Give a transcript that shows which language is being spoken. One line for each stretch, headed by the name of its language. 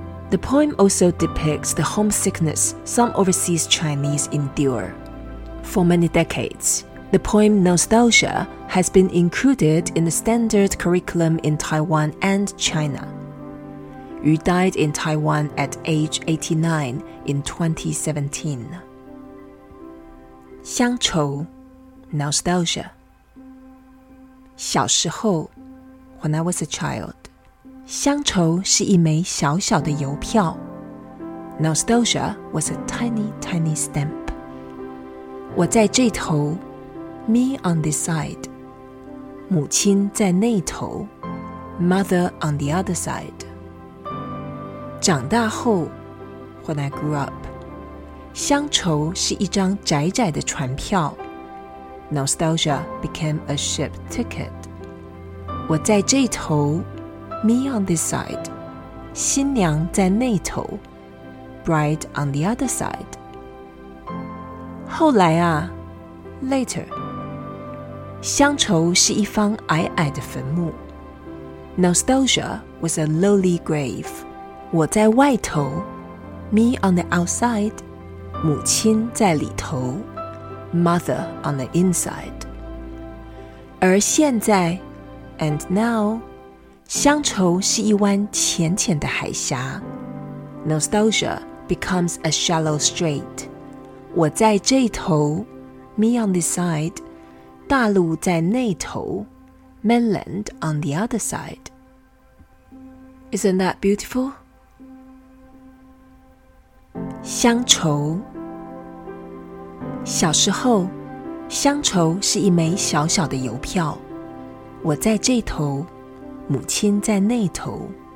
English: The poem also depicts the homesickness some overseas Chinese endure. For many decades, the poem Nostalgia has been included in the standard curriculum in Taiwan and China. Yu died in Taiwan at age 89 in 2017.
Chinese: 乡愁 Nostalgia 小时候
English: When I was a child,
Chinese: 乡愁是一枚小小的邮票。
English: Nostalgia was a tiny, tiny stamp.
Chinese: 我在这头
English: me on this side.
Chinese: 母亲在那头
English: mother on the other side.
Chinese: 长大后
English: when I grew up,
Chinese: 乡愁是一张窄窄的船票。
English: Nostalgia became a ship ticket.
Chinese: 我在这头
English: me on this side,
Chinese: 新娘在那头
English: bride on the other side.
Chinese: 后来啊
English: later,
Chinese: 乡愁是一方矮矮的坟墓
English: Nostalgia was a lowly grave.
Chinese: 我在外头
English: me on the outside,
Chinese: 母亲在里头
English: mother on the inside.
Chinese: 而现在
English: And now,
Chinese: 乡愁是一湾浅浅的海峡。
English: Nostalgia becomes a shallow strait.
Chinese: 我在这头
English: me on this side,
Chinese: 大陆在那头
English: mainland on the other side. Isn't that beautiful?
Chinese: 乡愁小时候，乡愁是一枚小小的邮票。我在这头，母亲在那头。